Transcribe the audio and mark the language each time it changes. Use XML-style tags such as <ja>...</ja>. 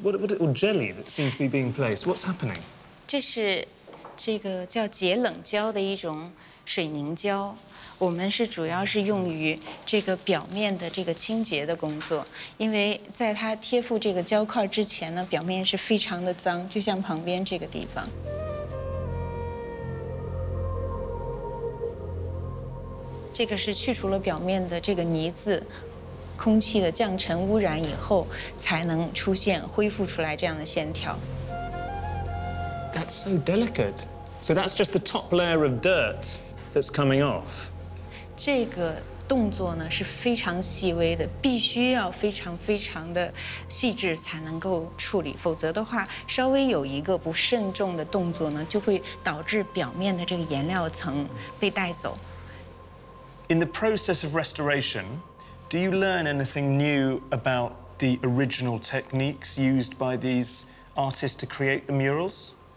<en>Or jelly that seem to be being placed? What's happening? This is called</en> <zh>水凝胶，我们是主要是用于这个表面的这个清洁的工作，因为在它贴附这个胶块之前呢，表面是非常的脏，就像旁边这个地方。这个是去除了表面的这个泥渍，空气的降尘污染以后，才能出现恢复出来这样的线条。</zh> <en>That's so delicate. So that's just the top layer of dirt that's coming off.</en> <zh>这个动作呢是非常细微的，必须要非常非常的细致才能够处理，否则的话，稍微有一个不慎重的动作呢，就会导致表面的这个颜料层被带走。</zh> <en>In the process of restoration, do you learn anything new about the original techniques used by these artists to create the murals?</en>